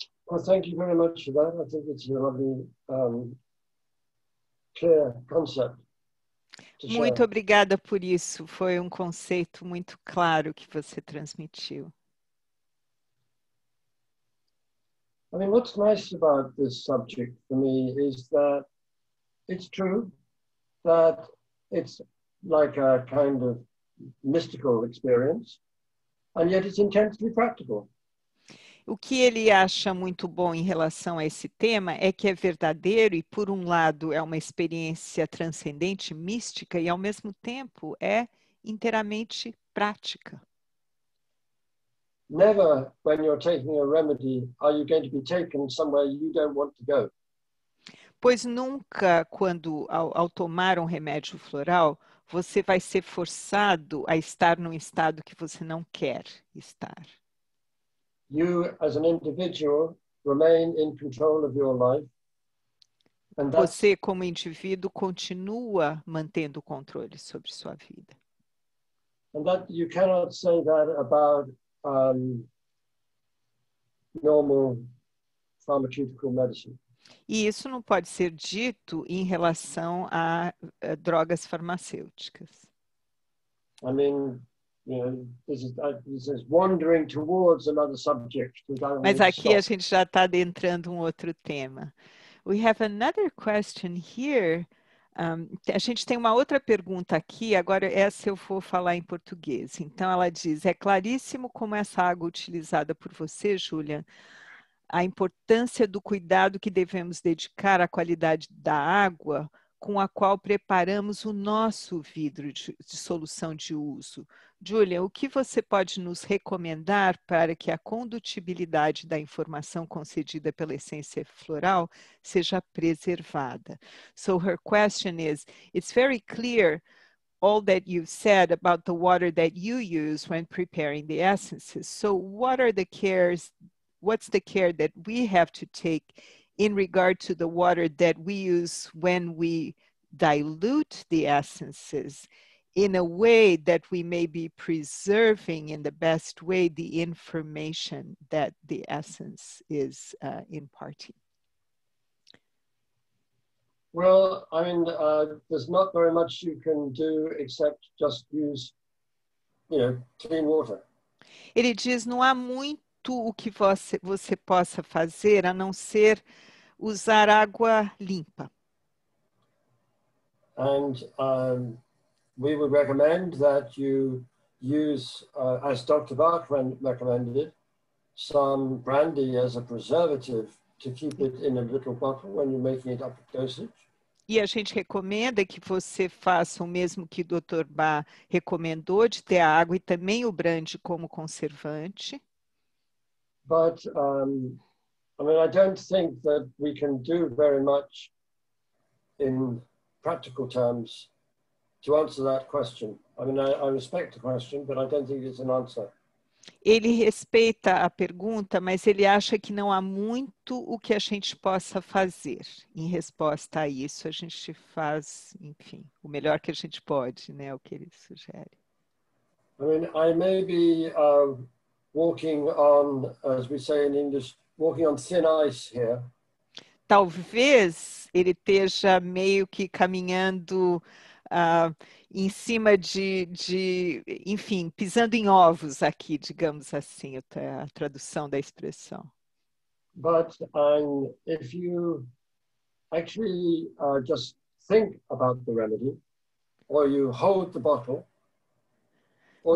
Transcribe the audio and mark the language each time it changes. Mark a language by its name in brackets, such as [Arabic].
[English] Well, thank you very much for that. I think it's a lovely, clear concept. [Portuguese] Muito obrigada por isso. Foi um conceito muito claro que você transmitiu. [English] I mean, what's nice about this subject for me is that it's true that it's like a kind of mystical experience, and yet it's intensely practical. [Portuguese] O que ele acha muito bom em relação a esse tema é que é verdadeiro e, por um lado, é uma experiência transcendente, mística, e, ao mesmo tempo, é inteiramente prática. [English] Never, when you're taking a remedy, are you going to be taken somewhere you don't want to go. [Portuguese] Pois nunca, quando, ao tomar um remédio floral, você vai ser forçado a estar num estado que você não quer estar. [English] You, as an individual, remain in control of your life. [Portuguese] And você, como indivíduo, continua mantendo o controle sobre sua vida. [English] And that you cannot say that about normal pharmaceutical medicine. [Portuguese] E isso não pode ser dito em relação a drogas farmacêuticas. [English] I mean, you know, this is wandering towards another subject. [Portuguese] Mas aqui a gente já está adentrando um outro tema. [English] We have another question here. [Portuguese] A gente tem uma outra pergunta aqui, agora essa eu vou falar em português. Então ela diz, é claríssimo como essa água utilizada por você, Julian, a importância do cuidado que devemos dedicar à qualidade da água com a qual preparamos o nosso vidro de solução de uso. Julian, o que você pode nos recomendar para que a condutibilidade da informação concedida pela essência floral seja preservada? [English] So her question is, it's very clear all that you've said about the water that you use when preparing the essences. So what are the cares, what's the care that we have to take in regard to the water that we use when we dilute the essences in a way that we may be preserving in the best way the information that the essence is imparting? Well, I mean, there's not very much you can do except just use, you know, clean water. [Portuguese] Ele diz, não há muito o que você possa fazer a não ser usar água limpa. [English] And we would recommend that you use, as Dr. Bach recommended, some brandy as a preservative to keep it in a little bottle when you're making it up to dosage. [Portuguese] E a gente recomenda que você faça o mesmo que o Dr. Bach recomendou, de ter a água e também o brandy como conservante. [English] But I mean, I don't think that we can do very much in practical terms to answer that question. I mean, I respect the question, but I don't think it's an answer. [Portuguese] Ele respeita a pergunta, mas ele acha que não há muito o que a gente possa fazer em resposta a isso. A gente faz, enfim, o melhor que a gente pode, né? O que ele sugere. [English] I mean, I may be walking on, as we say in English, walking on thin ice here. [Portuguese] Talvez ele esteja meio que caminhando em cima de, enfim, pisando em ovos aqui, digamos assim, a tradução da expressão. [English] But if you actually just think about the remedy, or you hold the bottle, or